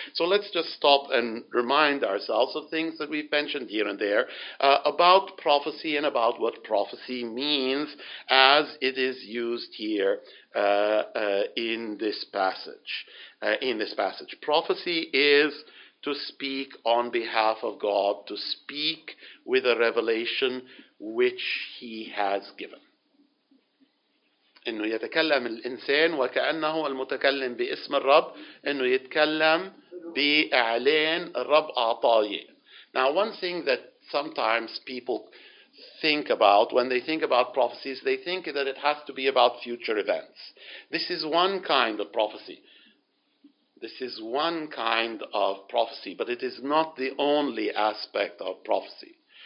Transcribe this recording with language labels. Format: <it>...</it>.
<en>So let's just stop and remind ourselves of things that we've mentioned here and there about prophecy and about what prophecy means as it is used here in this passage. Prophecy is to speak on behalf of God, to speak with a revelation which he has given.</en> <ar>إنه يتكلم الإنسان وكأنه المتكلم باسم الرب، إنه يتكلم بإعلان الرب أعطاه.</ar> <en>Now one thing that sometimes people think about when they think about prophecies, they think that it has to be about future events. This is one kind of prophecy. This is one kind of prophecy, but it is not the only aspect of prophecy.</en>